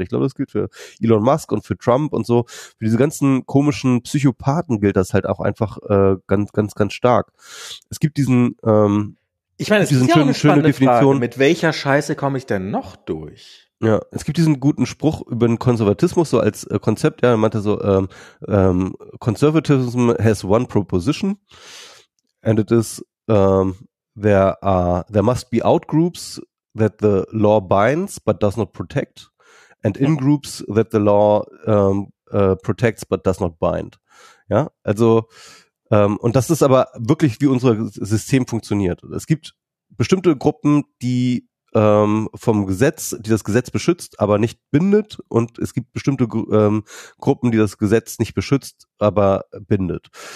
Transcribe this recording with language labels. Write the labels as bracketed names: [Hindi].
[German] Und ich glaube, das gilt für Elon Musk und für Trump und so. Für diese ganzen komischen Psychopathen gilt das halt auch einfach ganz, ganz, ganz stark. Es gibt diesen, ich meine, es ist ja auch eine schöne Definition. Frage. Mit welcher Scheiße komme ich denn noch durch? Ja, es gibt diesen guten Spruch über den Konservatismus so als Konzept. Ja, er meinte so, [English] Conservatism has one proposition. And it is, there must be outgroups that the law binds but does not protect, and in-groups that the law protects but does not bind. [German] Ja, also, und das ist aber wirklich, wie unser System funktioniert. Es gibt bestimmte Gruppen, die vom Gesetz, die das Gesetz beschützt, aber nicht bindet, und es gibt bestimmte Gruppen, die das Gesetz nicht beschützt, aber bindet.